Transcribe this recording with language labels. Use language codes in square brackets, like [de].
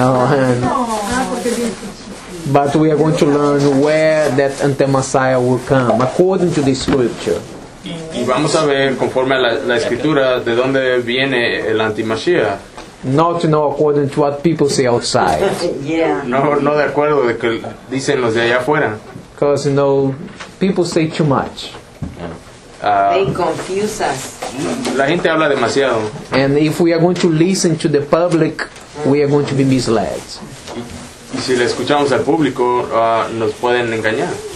[en] But we are going to learn where that anti-Messiah will come, according to the scripture. [es] Y vamos a ver, conforme a la escritura, de dónde viene el anti-Mashiach. [en] Not, you know, according to what people say outside. Yeah. [es] No de acuerdo de que dicen los de allá afuera. [en] Because, you know, people say too much. They confuse us. [es] La gente habla demasiado. [en] And if we are going to listen to the public, we are going to be misled. [es] Y si le escuchamos al público, nos pueden engañar.